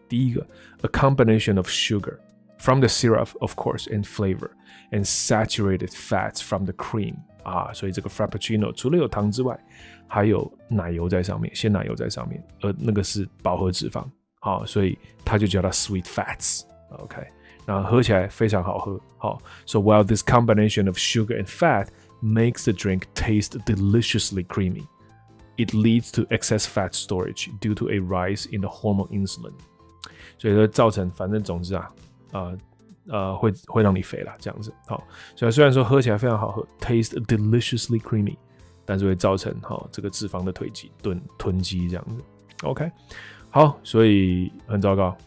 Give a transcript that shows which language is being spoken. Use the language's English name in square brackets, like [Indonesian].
[English] 第一个 a combination of sugar from the syrup of course and flavor and saturated fats from the cream [Chinese] 啊，所以这个 Frappuccino 除了有糖之外，还有奶油在上面，鲜奶油在上面，而那个是饱和脂肪啊，所以他就叫它 [English] sweet fats。 [Chinese] OK， 那喝起来非常好喝。好， [English] so while this combination of sugar and fatmakes the drink taste deliciously creamy. It leads to excess fat storage due to a rise in the hormone insulin. [Chinese] 所以说造成，反正总之啊，会让你肥啦，这样子。好，所以虽然说喝起来非常好喝 ， [English] taste deliciously creamy， [Chinese] 但是会造成哈这个脂肪的囤积这样子。 OK， 好，所以很糟糕。